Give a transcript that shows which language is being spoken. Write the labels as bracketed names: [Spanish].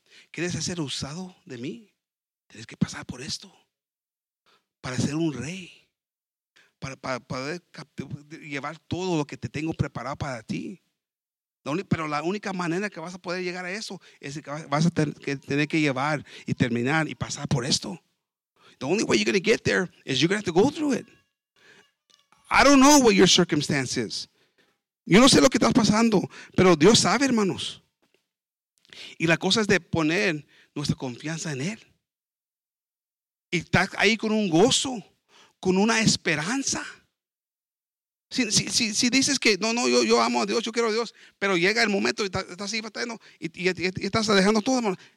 [Spanish] ¿Quieres ser usado de mí? Tienes que pasar por esto. Para ser un rey, para poder llevar todo lo que te tengo preparado para ti. Pero la única manera que vas a poder llegar a eso es que vas a tener que llevar y terminar y pasar por esto. [English] The only way you're going to get there is you're going to have to go through it. I don't know what your circumstance is. [Spanish] Yo no sé lo que estás pasando, pero Dios sabe, hermanos. Y la cosa es de poner nuestra confianza en Él. Y estás ahí con un gozo, con una esperanza. Si dices que yo amo a Dios, yo quiero a Dios, pero llega el momento y estás ahí batallando y estás dejando todo, hermano.